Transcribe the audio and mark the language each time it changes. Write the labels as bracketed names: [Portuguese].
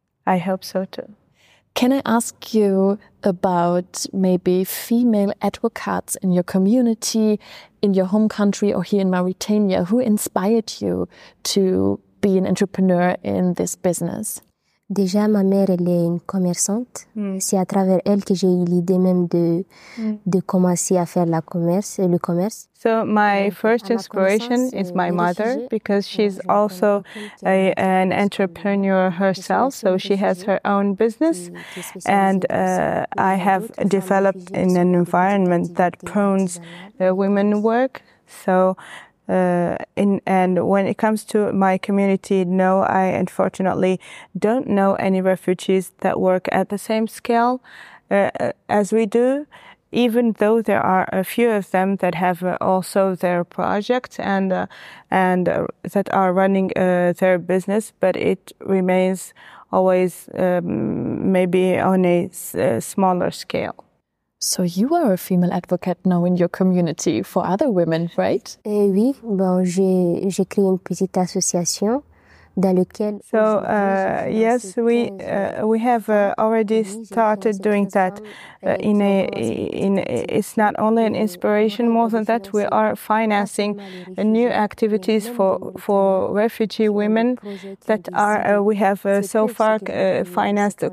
[English] I hope so too. Can I ask you about maybe female advocates in your community, in your home country or here in Mauritania, who inspired you to be an entrepreneur in this business? [French] Déjà, ma mère, elle est une commerçante. Mm. C'est à travers elle que j'ai eu l'idée même de commencer à faire la commerce, le commerce. [English] So my first inspiration is my mother, because she's also an entrepreneur herself. So she has her own business, and I have developed in an environment that prunes women work. So and when it comes to my community, no, I unfortunately don't know any refugees that work at the same scale as we do, even though there are a few of them that have also their project and that are running their business, but it remains always maybe on a smaller scale. So you are a female advocate now in your community for other women, right? [French] Oui, bon, j'ai créé une petite association dans laquelle. [English] So yes, we have already started doing that. It's not only an inspiration. More than that, we are financing new activities for refugee women that are we have so far financed.